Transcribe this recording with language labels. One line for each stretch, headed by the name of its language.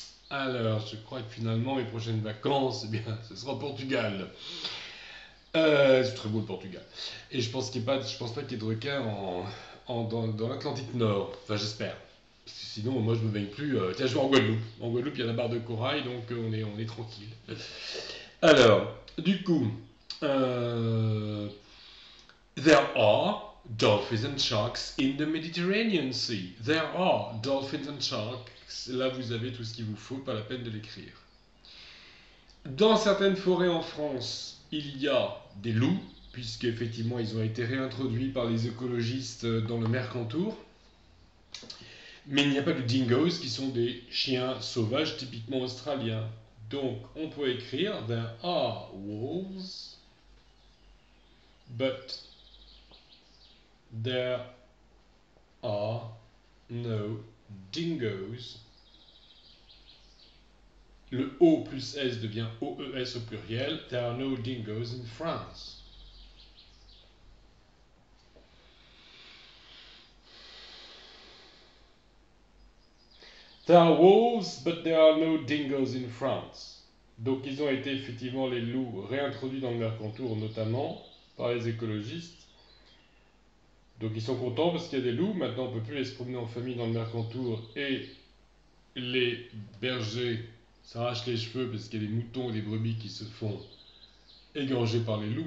French: Alors, je crois que finalement, mes prochaines vacances, eh bien, ce sera au Portugal. C'est très beau le Portugal. Et je pense qu'il y a pas, je pense pas qu'il y ait de requins dans l'Atlantique Nord, enfin j'espère. Sinon, moi je me baigne plus. Tiens, je vais en Guadeloupe. En Guadeloupe, il y a la barre de corail, donc on est tranquille. Alors, du coup,
English: there are dolphins and sharks in the Mediterranean Sea. There are dolphins and sharks.
French: Là, vous avez tout ce qu'il vous faut, pas la peine de l'écrire. Dans certaines forêts en France, il y a des loups, puisque effectivement, ils ont été réintroduits par les écologistes dans le Mercantour. Mais il n'y a pas de dingoes qui sont des chiens sauvages typiquement australiens. Donc on peut écrire
English: there are wolves, but there are no dingoes.
French: Le O plus S devient OES au pluriel.
English: There are no dingoes in France. There are wolves, but there are no dingoes in France.
French: Donc, ils ont été effectivement les loups réintroduits dans le Mercantour, notamment par les écologistes. Donc, ils sont contents parce qu'il y a des loups. Maintenant, on ne peut plus les se promener en famille dans le Mercantour et les bergers s'arrachent les cheveux parce qu'il y a des moutons et des brebis qui se font égorger par les loups.